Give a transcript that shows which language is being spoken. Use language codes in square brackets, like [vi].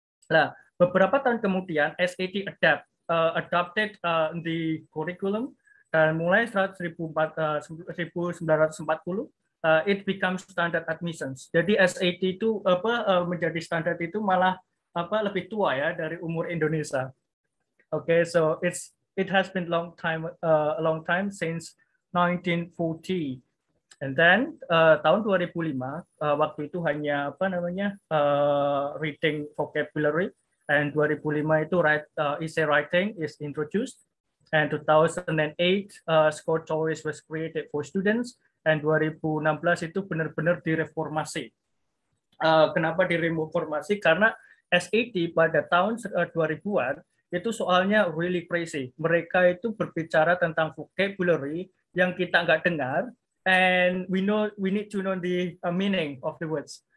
[id] Nah, beberapa tahun kemudian [en] SAT adopted the curriculum [id] dan mulai [en] 1940 it becomes standard admissions. [id] Jadi SAT itu apa menjadi standar itu malah apa lebih tua ya dari umur Indonesia. [en] Okay, so it has been a long time since 1940. And then [id] tahun 2005 waktu itu hanya apa namanya [en] reading vocabulary, and 2005 itu essay writing is introduced, and 2008 score choice was created for students, and 2016 [id] itu benar-benar direformasi. Kenapa direformasi? Karena SAT pada tahun 2000-an itu soalnya [en] really crazy. [id] Mereka itu berbicara tentang vocabulary yang kita nggak dengar. [en] And we need to know the meaning of the words.